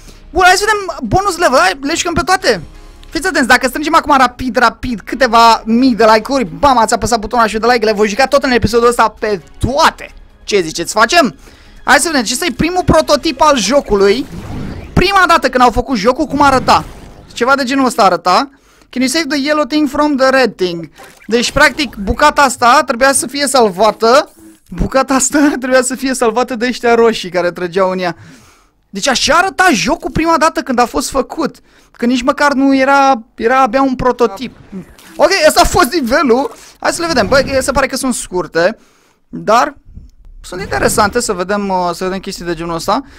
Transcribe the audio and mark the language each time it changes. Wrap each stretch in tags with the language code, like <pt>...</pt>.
<ro>Bun, hai să vedem bonus level, hai, le jucăm pe toate. Fiți atenți, dacă strângem acum rapid, rapid câteva mii de like-uri, bam, ați apăsat butonul așa de like, le voi juca tot în episodul ăsta pe toate. Ce ziceți, facem? Hai să vedem, ce să-i primul prototip al jocului. Prima dată când au făcut jocul, cum arăta? Ceva de genul ăsta arăta.</ro> <en>Can you save the yellow thing from the red thing?</en> <ro>Deci, practic, bucata asta trebuia să fie salvată. Bucata asta trebuia să fie salvată de ăștia roșii care trăgeau în ea. Deci așa arăta jocul prima dată când a fost făcut. Când nici măcar nu era, era abia un prototip. Ok, ăsta a fost nivelul. Hai să le vedem. Băi, se pare că sunt scurte, dar sunt interesante să vedem, să vedem chestii de genul ăsta.</ro>